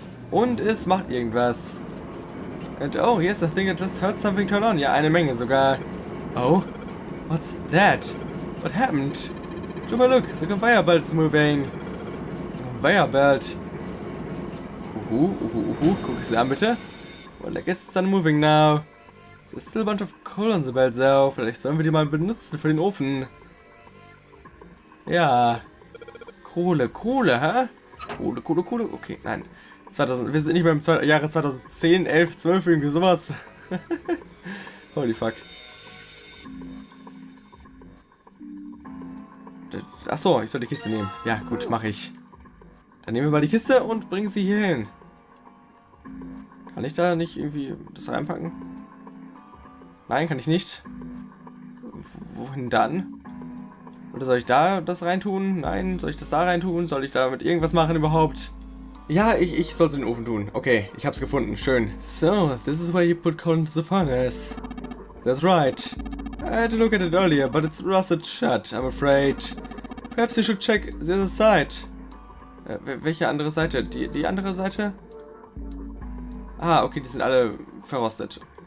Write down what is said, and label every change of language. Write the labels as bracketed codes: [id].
[de] Und es macht irgendwas. [en] And oh, yes, I think I just heard something turn on. [de] Ja, eine Menge sogar. [en] Oh? What's that? What happened? Juba, look, the conveyor belt's moving. Conveyor belt. [de] Guck es an, bitte. [en] Well, I guess it's unmoving now. There's still a bunch of coal on the belt, though. [de] Vielleicht sollen wir die mal benutzen für den Ofen. Ja. Kohle, hä? Kohle. Okay, nein. Wir sind nicht mehr im Jahre 2010, 11, 12, irgendwie sowas. [en] Holy fuck. [de] Achso, ich soll die Kiste nehmen. Ja, gut, mach ich. Dann nehmen wir mal die Kiste und bringen sie hier hin. Kann ich da nicht irgendwie das reinpacken? Nein, kann ich nicht. Wohin dann? Oder soll ich da das reintun? Nein, soll ich das da reintun? Soll ich damit irgendwas machen überhaupt? Ja, ich soll es in den Ofen tun. Okay, ich hab's gefunden. Schön. [en] So, this is where you put coal into the furnace. That's right. I had to look at it earlier, but it's rusted shut, I'm afraid. perhaps you should check the other side. [de] Welche andere Seite? Die andere Seite? Ah, okay, die sind alle verrostet.